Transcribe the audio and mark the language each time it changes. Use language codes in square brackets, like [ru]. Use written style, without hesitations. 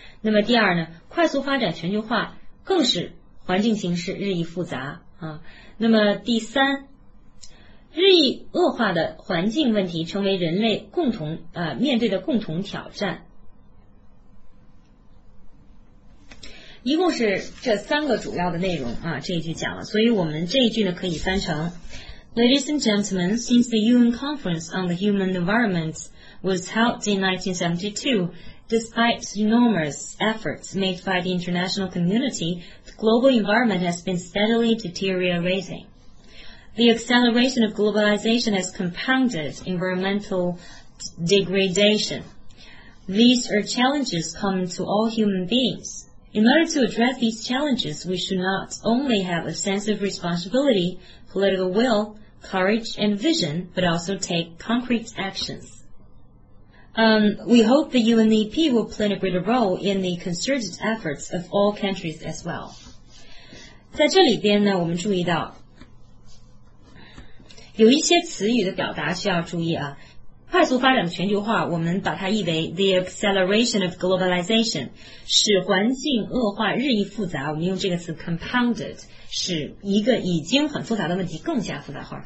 [zh] 那么第二呢，快速发展全球化更使环境形势日益复杂啊。那么第三，日益恶化的环境问题成为人类共同面对的共同挑战。一共是这三个主要的内容啊，这一句讲了，所以我们这一句呢可以翻成 [en] Ladies and gentlemen, since the UN Conference on the Human Environment was held in 1972, despite enormous efforts made by the international community, the global environment has been steadily deteriorating. The acceleration of globalization has compounded environmental degradation. These are challenges common to all human beings. In order to address these challenges, we should not only have a sense of responsibility, political will, courage, and vision, but also take concrete actions. We hope the UNEP will play a greater role in the concerted efforts of all countries as well. [zh] 在这里边呢，我们注意到有一些词语的表达需要注意啊。快速发展的全球化，我们把它译为 [en] the acceleration of globalization， [zh] 使环境恶化日益复杂。我们用这个词 compounded， 使一个已经很复杂的问题更加复杂化。